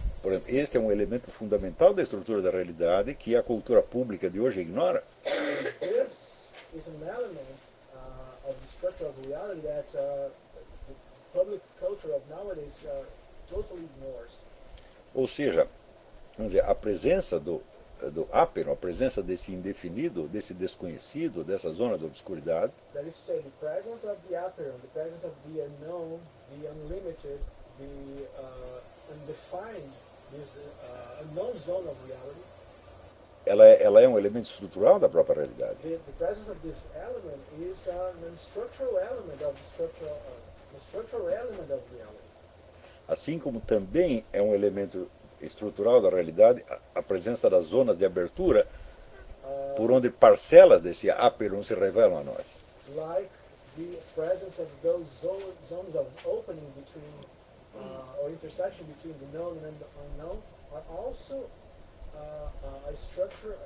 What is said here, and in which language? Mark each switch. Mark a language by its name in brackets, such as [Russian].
[Portuguese] Por exemplo, este é elemento fundamental da estrutura da realidade que a cultura pública de hoje ignora. [English] This is an element of the structure of reality that the public culture of nowadays totally ignores. [Portuguese] Ou seja, vamos dizer, a presença do Aperon, a presença desse indefinido, desse desconhecido, dessa zona da obscuridade. [English] That is to say, the presence of the Aperon, the presence of the unknown, the unlimited, the undefined, this unknown zone of reality. [Portuguese] Ela é elemento estrutural da própria realidade. [English] The presence of this element is a structural element of the structural element of reality. [Portuguese] Assim como também é elemento estrutural da realidade, a presença das zonas de abertura por onde parcelas desse Aperon se revelam a nós. [English] Like the presence of those zones of opening between or intersection between the known and the unknown are also a structural